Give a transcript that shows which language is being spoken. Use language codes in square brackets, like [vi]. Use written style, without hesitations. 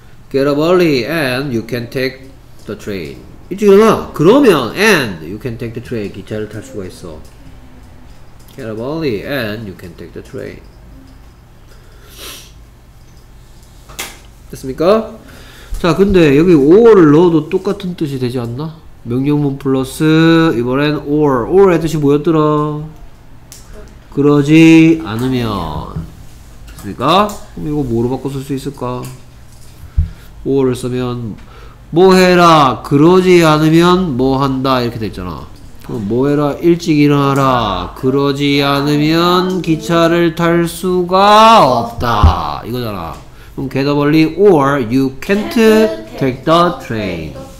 [en] Get up early and you can take the train. [ko] 일찍이나 그러면 [en] and you can take the train. [ko] 기차를 탈 수가 있어. [en] Get up early and you can take the train. [ko] 됐습니까? 자, 근데 여기 or를 넣어도 똑같은 뜻이 되지 않나? 명령문 플러스 이번엔 or. or의 뜻이 뭐였더라? 그러지 않으면. 됐습니까? 그럼 이거 뭐로 바꿔 쓸 수 있을까? or를 쓰면 뭐해라 그러지 않으면 뭐한다 이렇게 되어있잖아. 그럼 뭐해라 일찍 일어나라 그러지 않으면 기차를 탈 수가 없다 이거잖아. 그럼 [en] get up early or you can't take the train.